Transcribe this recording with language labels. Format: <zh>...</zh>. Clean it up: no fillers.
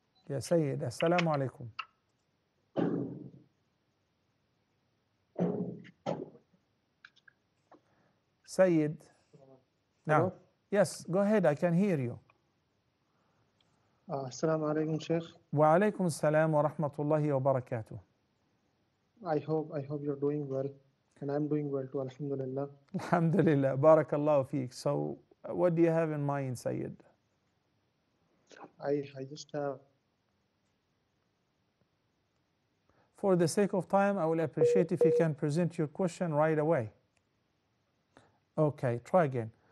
<ar>يا سيد السلام عليكم. سيد. نعم.</ar> <en>Yes, go ahead, I can hear you.</en> <ar>السلام عليكم شيخ. وعليكم السلام ورحمة الله وبركاته.</ar> <en>I hope you're doing well. And I'm doing well too,</en> <ar>الحمد لله. الحمد لله, بارك الله فيك.</ar> <en>So, what do you have in mind, سيد? I just have For the sake of time, I will appreciate if you can present your question right away. Okay, try again.</en>